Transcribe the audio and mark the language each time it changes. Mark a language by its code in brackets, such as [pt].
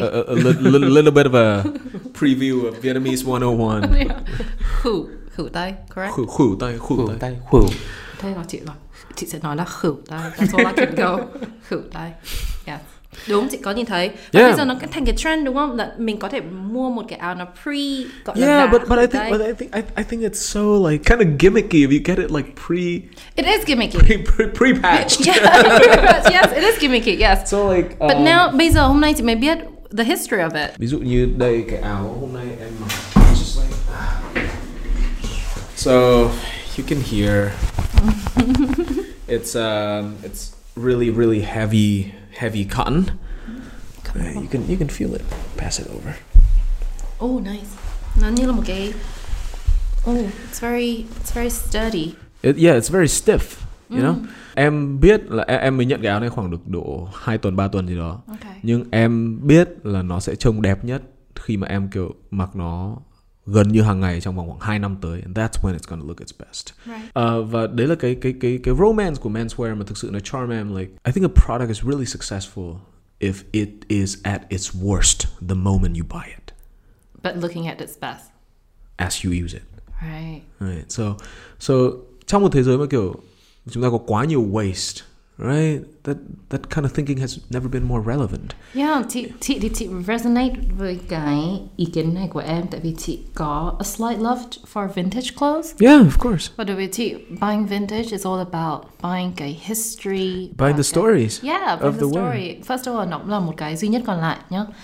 [en] A little bit of a preview of Vietnamese 101. [vi] Khu khu tai, [en] correct? [vi] Khu khu tai khu tai khu. Thế là chị rồi. Chị sẽ nói là khử tay. [en] That's all I can go. [vi] Khử tay. Yeah. Đúng, chị có nhìn thấy. [en] Yeah. [vi] Bây giờ nó thành cái trend đúng không? Là mình có thể mua một cái áo nó pre. Gọi [en] yeah, [vi] là [en] but I think tay. But I think it's so like kind of gimmicky if you get it like pre. It is gimmicky. Pre-patched. Yeah. Yes, it is gimmicky. Yes. So like. [vi] But now, bây giờ hôm nay chị mới biết [en] the history of it. [vi] Ví dụ như đây cái áo hôm nay em mặc [en] So you can hear it's really really heavy cotton. You can feel it. Pass it over. Oh, nice. [vi] Nó như là một cái. [en] Oh, it's very sturdy. It's very stiff. You know, [vi] em biết là em mới nhận cái áo này khoảng được độ 2 tuần 3 tuần gì đó. [en] Okay. [vi] Nhưng em biết là nó sẽ trông đẹp nhất khi mà em kiểu mặc nó gần như hàng ngày trong vòng khoảng 2 năm tới. [en] And that's when it's gonna look its best. Right. [vi] Và đấy là cái romance của menswear mà thực sự nó charm em. [en] Like, I think a product is really successful if it is at its worst the moment you buy it. But looking at its best. As you use it. Right. [vi] So trong một thế giới mà kiểu chúng ta có quá nhiều waste, [en] right? That kind of thinking has never been more relevant. [vi] Yeah, chị resonate với cái ý kiến này của em tại vì chị có [en] a slight love for vintage clothes. Yeah, of course. But [vi] đối với chị, [en] buying vintage is all about buying cái history. Buying the [vi] cái, [en] stories. Yeah, buying the story. Way. First of all, [vi] nó là một cái duy nhất còn lại nhá.